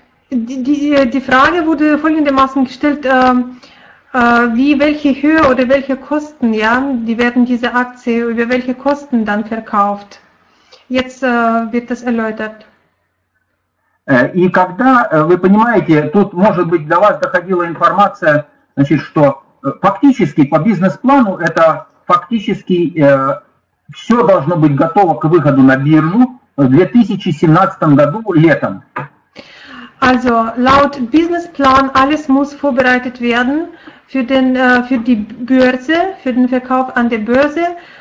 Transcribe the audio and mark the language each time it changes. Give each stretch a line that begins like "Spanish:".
German: Die Frage wurde folgendermaßen gestellt, wie welche Höhe oder welche Kosten, ja, die werden diese Aktie, über welche Kosten dann verkauft? Jetzt wird das erläutert.
Russian: И когда, вы понимаете, тут может быть до вас доходила информация, значит, что фактически по бизнес-плану это фактически... Все должно быть готово к выходу на биржу в 2017 году летом.
German: Also laut Businessplan alles muss vorbereitet werden für die Börse, für den Verkauf an der Börse.